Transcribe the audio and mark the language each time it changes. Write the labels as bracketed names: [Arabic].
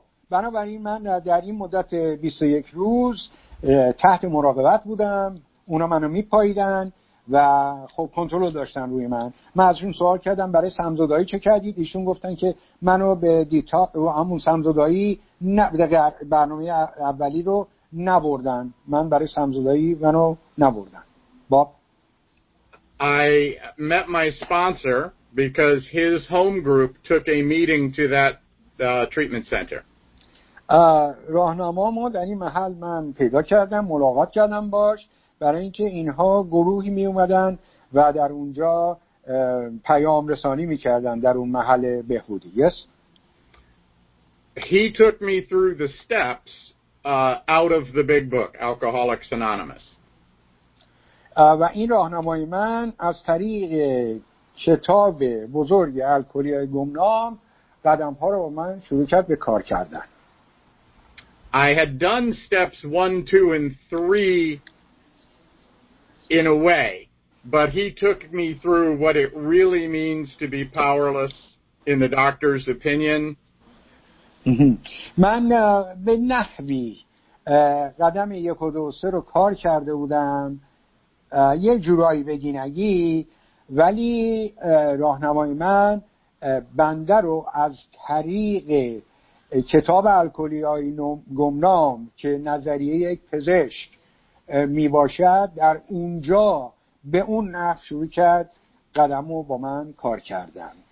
[Persian] بنابراین من در این مدت 21 روز تحت مراقبت بودم، اونا منو میپاییدن و خب کنترل داشتن روی من. من ازشون سوال کردم برای سمزدایی چه کردید، ایشون گفتن که منو به همون سمزدایی برنامه اولی رو نبردن، من برای سمزدایی منو نبردن. باب [English] I met my sponsor because his home group took a meeting to that treatment center. [Persian] راهنمامو در این محل من پیدا کردم، ملاقات کردم باش، برای اینکه اینها گروهی می اومدن و در اونجا پیام رسانی میکردن در اون محل بهبودی. [English] Yes. He took me through the steps out of the big book Alcoholics Anonymous. [Persian] و این راهنمای من از طریق کتاب بزرگ الکلی‌های گمنام قدم‌ها رو با من شروع کرد به کار کردن. [English] I had done steps 1, 2, and 3 in a way, but he took me through what it really means to be powerless in the doctor's opinion. [Persian] من به نحوی قدم 1 و 2 و 3 رو کار کرده بودم یه جورایی بگینگی، ولی راهنمای من بنده رو از طریق کتاب الکلی‌های گمنام که نظریه یک پزشک می باشد در اونجا به اون نحو شروع کرد قدمو با من کار کردن.